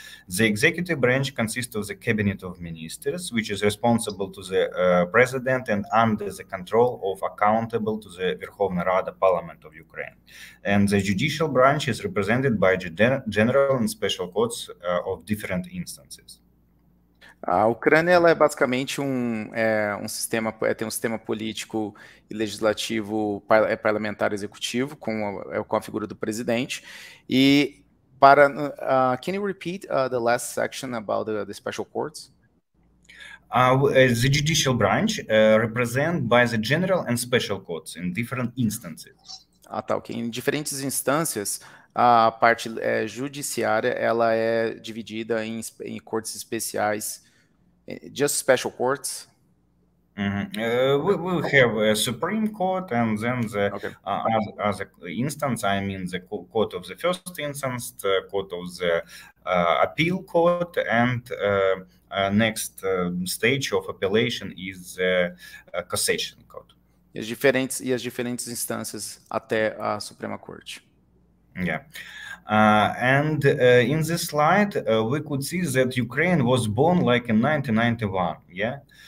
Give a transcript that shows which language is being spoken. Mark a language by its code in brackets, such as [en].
[en] The executive branch consists of the cabinet of ministers, which is responsible to the president and under the control of accountable to the Verkhovna Rada parliament of Ukraine. And the judicial branch is represented by the general and special courts of different instances. [pt] A Ucrânia ela é basicamente tem um sistema político e legislativo parlamentar executivo com a figura do presidente. E para [en] can you repeat the last section about the special courts? The judicial branch represented by the general and special courts in different instances. [pt] Ah, tá, ok. Em diferentes instâncias, a parte judiciária ela é dividida em cortes especiais. [en] Just special courts? Mm-hmm. We have a Supreme Court and then the other instance, I mean the court of the first instance, the court of the appeal court, and next stage of appellation is the cassation court. [pt] E as diferentes instâncias até a Suprema Corte. [en] Yeah. In this slide, we could see that Ukraine was born like in 1991, yeah?